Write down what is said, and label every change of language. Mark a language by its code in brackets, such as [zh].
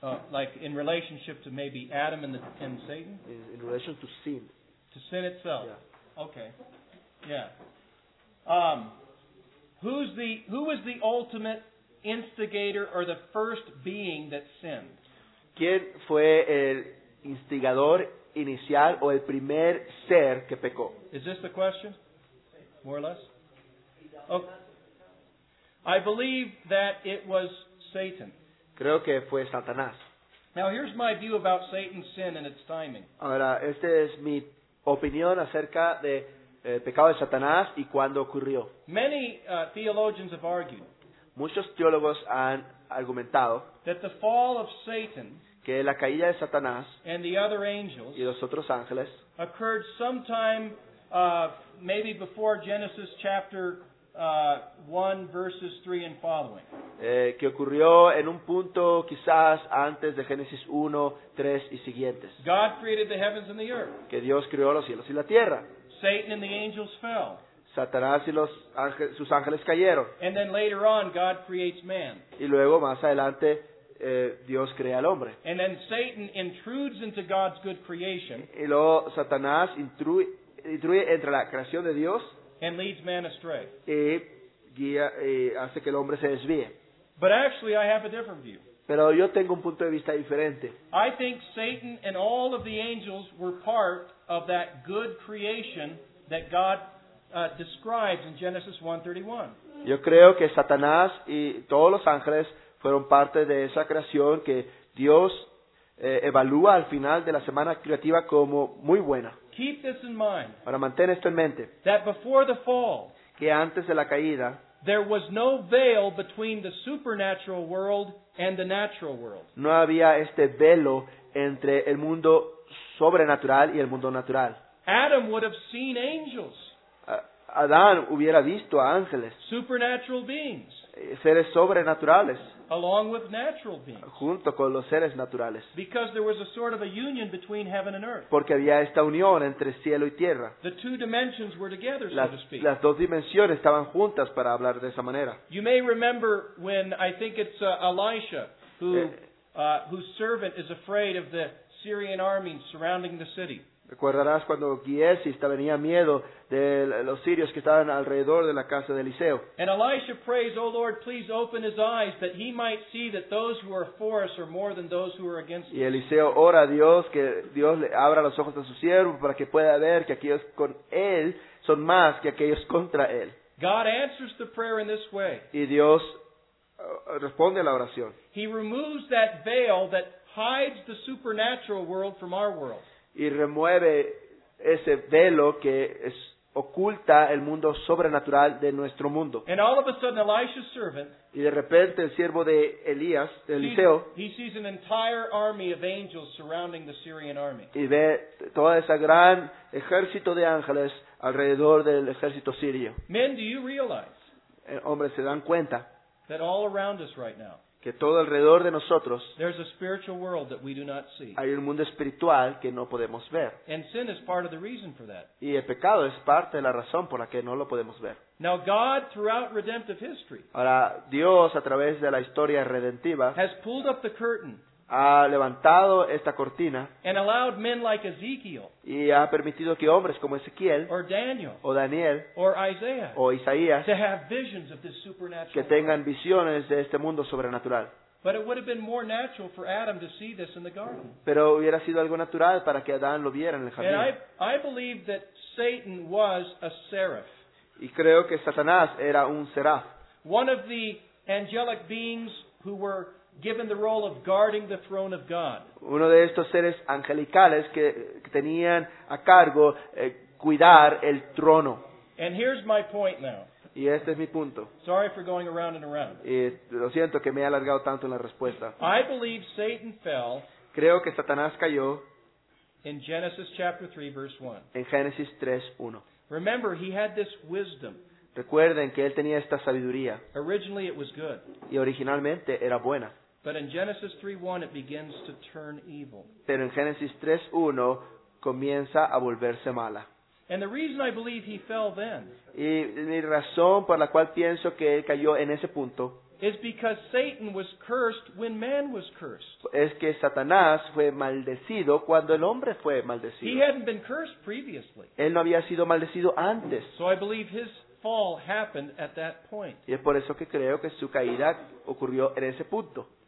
[en] Like in relationship to maybe Adam and Satan? In relation to sin. To sin itself? Yeah. Okay. Yeah. Who was the ultimate instigator or the first being that sinned? [es] ¿Quién fue el instigador inicial o el primer ser que pecó? [en] Is this the question? More or less? Oh. I believe that it was Satan. [es] Creo que fue Satanás. [en] Now here's my view about Satan's sin and its timing. [es] Ahora, esta es mi opinión acerca de el pecado de Satanás y cuándo ocurrió. [en] Many theologians have argued. [es] Muchos teólogos han argumentado [en] that the fall of Satan [es] que la caída de Satanás [en] and the other angels [es] y los otros ángeles [en] occurred sometime maybe before Genesis chapter 1 verses 3 and following. [es] Que ocurrió en un punto quizás antes de Génesis 1, 3 y siguientes. [en] God created the heavens and the earth. [es] Que Dios creó los cielos y la tierra. [en] Satan and the angels fell. [es] Satanás y los ángeles, sus ángeles cayeron. [en] And then later on, God creates man. [es] Y luego más adelante Dios crea al hombre. [en] And then Satan intrudes into God's good creation. [es] Y luego Satanás intruye entre la creación de Dios. [en] And leads man astray. [es] Y guía, y hace que el hombre se desvíe. [en] But actually, I have a different view. [es] Pero yo tengo un punto de vista diferente. [en] I think Satan and all of the angels were part of that good creation that God describes in Genesis 1:31. [es] Yo creo que Satanás y todos los ángeles fueron parte de esa creación que Dios evalúa al final de la semana creativa como muy buena. [en] Keep this in mind. [es] Para mantener esto en mente. [en] That before the fall, [es] que antes de la caída, [en] there was no veil between the supernatural world and the natural world. [es] No había este velo entre el mundo sobrenatural y el mundo natural. [en] Adam would have seen angels. [es] Adán hubiera visto a ángeles. [en] Supernatural beings. [es] Seres sobrenaturales. [en] Along with natural beings. [es] Junto con los seres naturales. [en] Because there was a sort of a union between heaven and earth. [es] Porque había esta unión entre cielo y tierra. [en] The two dimensions were together, [es] las, [en] so to speak. [es] Las dos dimensiones estaban juntas para hablar de esa manera. [en] You may remember when I think it's Elisha whose servant is afraid of the Syrian army surrounding the city. [es] Recordarás cuando Giesi tenía miedo de los sirios que estaban alrededor de la casa de Eliseo. [en] And Elisha prays, "Oh Lord, please open his eyes that he might see that those who are for us are more than those who are against us." [es] Y Eliseo ora a Dios que Dios le abra los ojos a su siervo para que pueda ver que aquellos con él son más que aquellos contra él. [en] God answers the prayer in this way. [es] Y Dios responde a la oración. [en] He removes that veil that hides the supernatural world from our world. [es] Y remueve ese velo que es, oculta el mundo sobrenatural de nuestro mundo. [en] And all of a sudden, Elisha's servant, [es] y de repente el siervo de Elías, de Eliseo, [en] he sees an entire army of angels surrounding the Syrian army. [es] Y ve todo ese gran ejército de ángeles alrededor del ejército sirio. [en] Men, do you realize, [es] hombres, ¿se dan cuenta [en] that all around us right now, [es] que todo alrededor de nosotros [en] there's a spiritual world that we do not see. [es] Hay un mundo espiritual que no podemos ver. [en] And sin is part of the reason for that. [es] Y el pecado es parte de la razón por la que no lo podemos ver. [en] Now God, throughout redemptive history, [es] ahora Dios a través de la historia redentiva [en] has pulled up the curtain, [es] ha levantado esta cortina, [en] and allowed men like Ezekiel, [es] y ha permitido que hombres como Ezequiel [en] or Daniel, [es] o Daniel [en] or Isaiah, [es] o Isaías [en] to have visions of this supernatural [es] que tengan visiones de este mundo sobrenatural. [en] But it would have been more natural for Adam to see this in the garden. [es] Pero hubiera sido algo natural para que Adán lo viera en el jardín. [en] And I believe that Satan was a seraph. [es] Y creo que Satanás era un seraph. [en] One of the angelic beings who were given the role of guarding the throne of God. [es] Uno de estos seres angelicales que tenían a cargo cuidar el trono. [en] And here's my point now. [es] Y este es mi punto. [en] Sorry for going around and around. [es] Y lo siento que me he alargado tanto en la respuesta. [en] I believe Satan fell. [es] Creo que Satanás cayó. [en] In Genesis chapter 3 verse 1. [es] En Génesis 3:1. [en] Remember, he had this wisdom. [es] Recuerden que él tenía esta sabiduría. [en] Originally it was good. [es] Y originalmente era buena. [en] But in Genesis 3:1 it begins to turn evil. [es] Pero en Génesis 3:1 comienza a volverse mala. [en] And the reason I believe he fell then. [es] Y mi razón por la cual pienso que él cayó en ese punto. [en] Is because Satan was cursed when man was cursed. [es] Es que Satanás fue maldecido cuando el hombre fue maldecido. [en] He hadn't been cursed previously. [es] Él no había sido maldecido antes. [en] So I believe his fall happened at that point. [es] Y es por eso que creo que su caída ocurrió en ese punto.